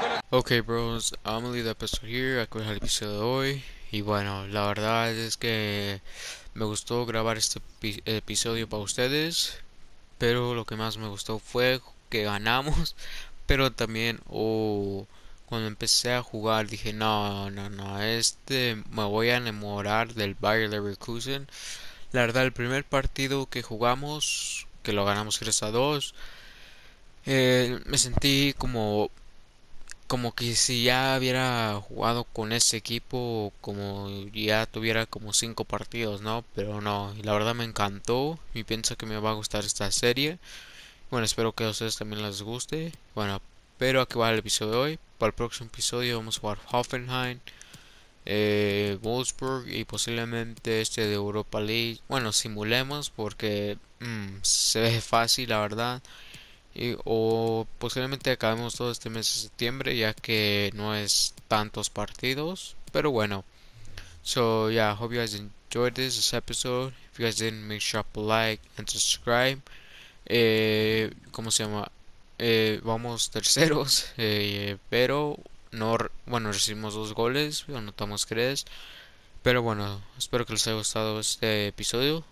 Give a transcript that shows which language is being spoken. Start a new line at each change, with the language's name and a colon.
English: Ok, bros, I'm gonna leave the episode here.
Spanish: Acabo el episodio de hoy. Y bueno, la verdad es que me gustó grabar este episodio para ustedes. Pero lo que más me gustó fue que ganamos. Pero también, cuando empecé a jugar, dije: No, me voy a enamorar del Bayer Leverkusen. La verdad, el primer partido que jugamos, que lo ganamos 3-2, me sentí como que si ya hubiera jugado con ese equipo, como ya tuviera como 5 partidos, ¿no? Pero no, la verdad me encantó y pienso que me va a gustar esta serie. Bueno, espero que a ustedes también les guste. Bueno, pero aquí va el episodio de hoy. Para el próximo episodio vamos a jugar Hoffenheim, Wolfsburg y posiblemente este de Europa League. Bueno, simulemos porque se ve fácil, la verdad. O posiblemente acabemos todo este mes de septiembre, ya que no es tantos partidos. Pero bueno,
English: so yeah, hope you guys enjoyed this episode. If you guys didn't, make sure to like and subscribe.
Spanish: ¿Cómo se llama? Vamos terceros, pero no, bueno, recibimos 2 goles, anotamos 3. Pero bueno, espero que les haya gustado este episodio.